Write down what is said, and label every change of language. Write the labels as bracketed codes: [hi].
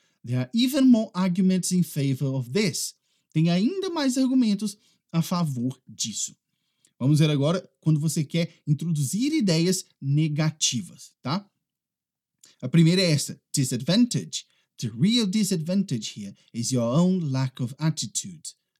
[en] There are even more arguments in favor of this. [pt] Tem ainda mais argumentos a favor disso. Vamos ver agora quando você quer introduzir ideias negativas, tá? A primeira é essa, disadvantage. [en] The real disadvantage here is your own lack of attitude.